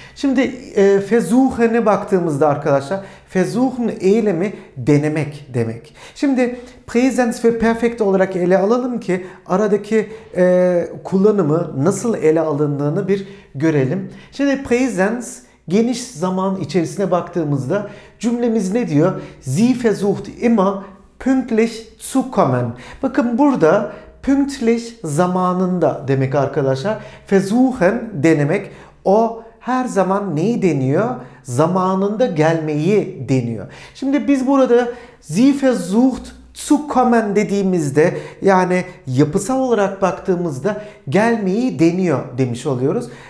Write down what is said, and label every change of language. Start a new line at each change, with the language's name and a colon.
Turkish: Şimdi versuchen'e baktığımızda arkadaşlar versuchen eylemi denemek demek. Şimdi präsens ve perfekt olarak ele alalım ki aradaki kullanımı nasıl ele alındığını bir görelim. Şimdi präsens geniş zaman içerisine baktığımızda cümlemiz ne diyor?
German: Sie versucht immer pünktlich zu kommen.
Turkish: Bakın burada pünktlich zamanında demek arkadaşlar. Versuchen denemek. O her zaman neyi deniyor? Zamanında gelmeyi deniyor. Şimdi biz burada
German: sie versucht zu kommen
Turkish: dediğimizde, yani yapısal olarak baktığımızda gelmeyi deniyor demiş oluyoruz.